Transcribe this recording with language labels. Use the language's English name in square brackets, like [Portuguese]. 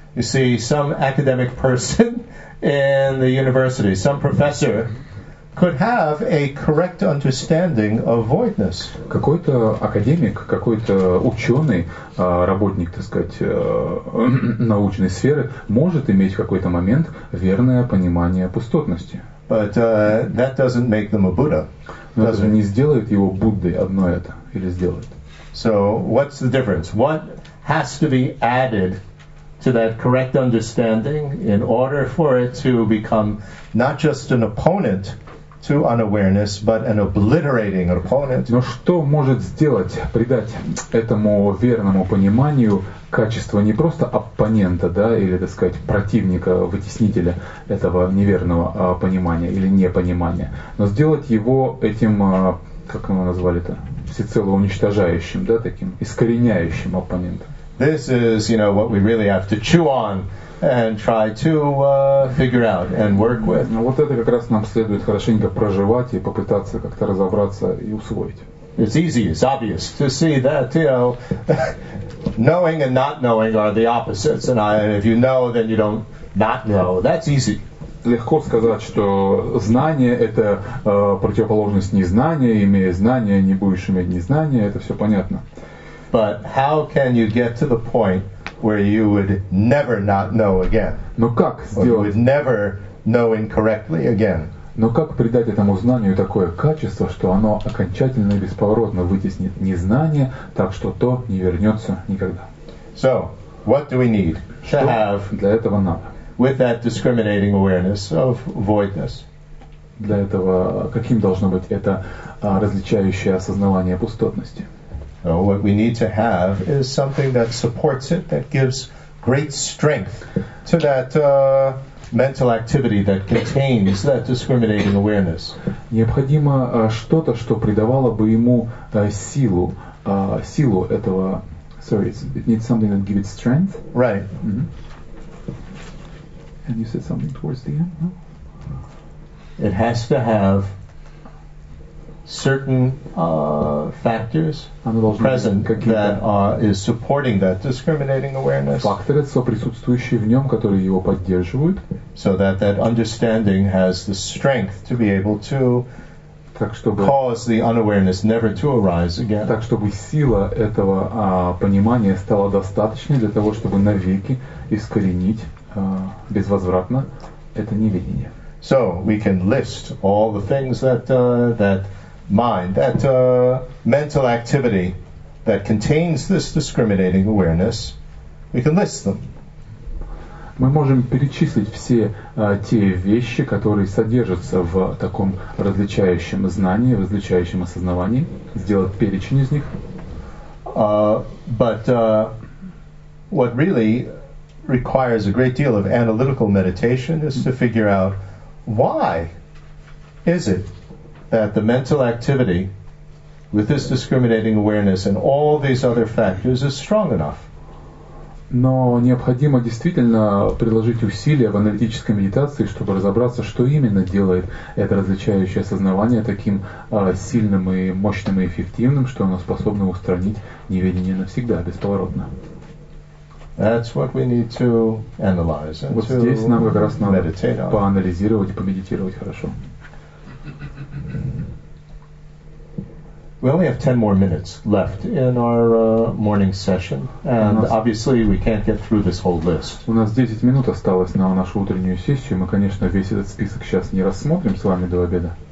[English] You see, some academic person in the university, some professor, could have a correct understanding of voidness. [Russian] Какой-то академик, какой-то ученый, работник, так сказать, научной сферы, может иметь в какой-то момент верное понимание пустотности. [English] But that doesn't make them a Buddha. [Russian] Но это не сделает его Буддой, одно это, или сделает. [English] So what's the difference? What has to be added to that correct understanding in order for it to become not just an opponent to unawareness, but an obliterating opponent? [Russian] Но что может сделать, придать этому верному пониманию качество не просто оппонента, да, или, так сказать, противника, вытеснителя этого неверного понимания или непонимания, но сделать его этим, как мы назвали-то, всецело уничтожающим, да, таким искореняющим оппонентом? [English] This is, you know, what we really have to chew on and try to figure out and work with. [Russian] Ну вот это как раз нам следует хорошенько проживать и попытаться как-то разобраться и усвоить. [English] It's easy, it's obvious to see that, you know, knowing and not knowing are the opposites, and if you know, then you don't not know. That's easy. [Russian] Легко сказать, что знание — это противоположность незнания, имея знание, не будешь иметь незнание, это все понятно. [English] But how can you get to the point where you would never not know again? [Russian] Но как сделать? [English] Or you would never know incorrectly again? [Russian] Но как придать этому знанию такое качество, что оно окончательно и бесповоротно вытеснит незнание, так что то не вернется никогда? [English] So, What do we need to have [Russian] для этого надо? [English] With that discriminating awareness of voidness? [Russian] Для этого каким должно быть это различающее осознавание пустотности? [English] So what we need to have is something that supports it, that gives great strength to that mental activity that contains that discriminating awareness. [Russian] Необходимо что-то, что придавало бы ему силу, силу этого. [English] Sorry, it needs something that gives it strength. Right. Mm-hmm. And you said something towards the end. No? It has to have certain factors present that is supporting that discriminating awareness. [Russian] Факторы, соприсутствующие в нем, которые его поддерживают. [English] So that understanding has the strength to be able to [Russian] так, чтобы, [English] cause the unawareness never to arise again. [Russian] Так, чтобы сила этого понимания стала достаточной для того, чтобы навеки искоренить безвозвратно это неведение. [English] So we can list all the things that that mind, that mental activity that contains this discriminating awareness, we can list them. [Russian] Мы можем перечислить все те вещи, которые содержатся в таком различающем знании, в различающем осознавании, сделать перечень из них. [English] But what really requires a great deal of analytical meditation is to figure out why is it that the mental activity with this discriminating awareness and all these other factors is strong enough. [Russian] Но необходимо действительно приложить усилия в аналитической медитации, чтобы разобраться, что именно делает это различающее осознавание таким сильным и мощным и эффективным, что оно способно устранить неведение навсегда, бесповоротно. [English] That's what we need to analyze and [Russian] вот [English] to [Russian] здесь нам как раз надо [English] meditate on. [Russian] Поанализировать и помедитировать хорошо. [English] We only have 10 more minutes left in our morning session, and obviously we can't get through this whole list. [Russian] У нас 10 минут осталось на нашу утреннюю сессию, мы, конечно, весь этот список сейчас не рассмотрим с вами до обеда.